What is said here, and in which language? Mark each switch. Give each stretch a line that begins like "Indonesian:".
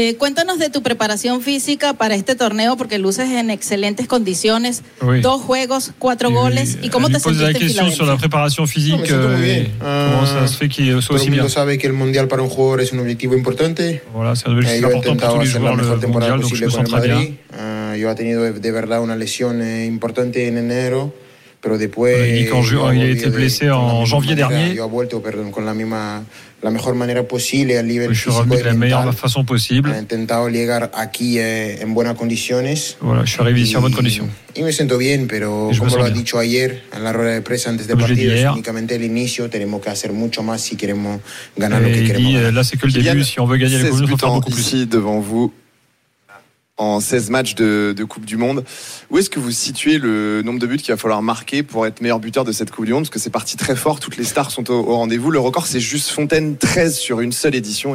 Spanish: Cuéntanos de tu preparación física para este torneo, porque luces en excelentes condiciones.
French: Oui.
Spanish: Dos juegos, cuatro goles. ¿Y cómo te sentiste?
French: Pose la question sur la préparation physique. Comment ça se fait qu'il soit aussi bien?
Spanish: Todo el mundo sabe que el mundial para un jugador es un objetivo importante.
French: Voilà, c'est un objectif important pour tous les joueurs, le mundial, donc je me sens très bien.
Spanish: Yo he tenido de verdad una lesión importante en enero. Pero después,
French: il a été blessé en janvier dernier.
Spanish: Yo he vuelto, perdón, con la misma, la mejor manera posible al nivel físico.
French: Je suis revenu de la meilleure façon possible.
Spanish: He intentado llegar aquí en buenas condiciones.
French: Voilà, je suis arrivé ici en bonne condition.
Spanish: Y me siento bien, pero como lo ha dicho ayer en la rueda de prensa antes de partido, únicamente el inicio. Tenemos que hacer mucho más si queremos ganar lo que queremos.
French: Et là, c'est que le début. Si on veut gagner le Coupe du Monde, il faut beaucoup plus. Ici, devant vous. En 16 matchs de Coupe du Monde, où est-ce que vous situez le nombre de buts qu'il va falloir marquer pour être meilleur buteur de cette Coupe du Monde? Parce que c'est parti très fort, toutes les stars sont au rendez-vous. Le record, c'est juste Fontaine, 13 sur une seule édition.